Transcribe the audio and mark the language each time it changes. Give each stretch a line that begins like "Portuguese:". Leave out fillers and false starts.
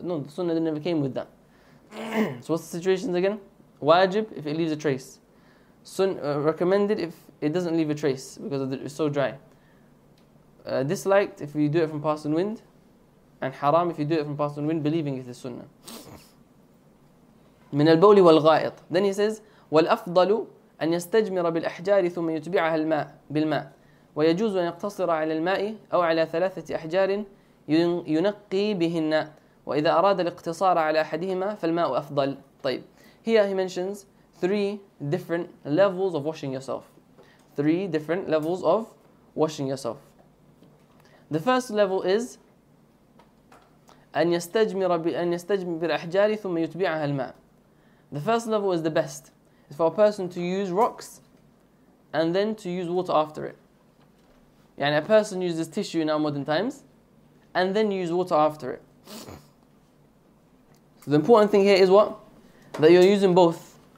English: No, the sunnah never came with that. So what's the situation again? Wajib if it leaves a trace. Recommended if it doesn't leave a trace because it's so dry. Disliked if you do it from passing wind. And haram if you do it from passing wind, believing it's a sunnah.
Arabic: من البول والغائط.
English: Then he says,
Arabic: والأفضل أن يستجمر بالأحجار ثم يتبعها الماء بالماء. ويجوز أن يقتصر على الماء أو على ثلاثة أحجار ينقي بهن وإذا أراد الاقتصار على أحدهما فالماء أفضل.
English: طيب. Here he mentions three different levels of washing yourself. Three different levels of washing yourself. The first level is
Arabic: أن يستجمر بالأحجار ثم يتبعها الماء.
English: The first level is the best. It's for a person to use rocks and then to use water after it. Yani a person uses tissue in our modern times and then use water after it. So the important thing here is what? That you're using both.